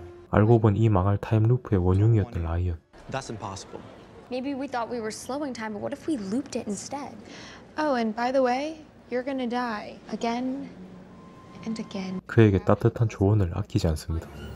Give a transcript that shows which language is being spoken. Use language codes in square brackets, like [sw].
[ko] 알고 본 이 망할 타임루프의 원흉이었던 라이언. [en] That's impossible. Maybe we thought we were slowing time, but what if we looped it instead? Oh, and by the way, you're gonna die again. [ko] 그에게 따뜻한 조언을 아끼지 않습니다.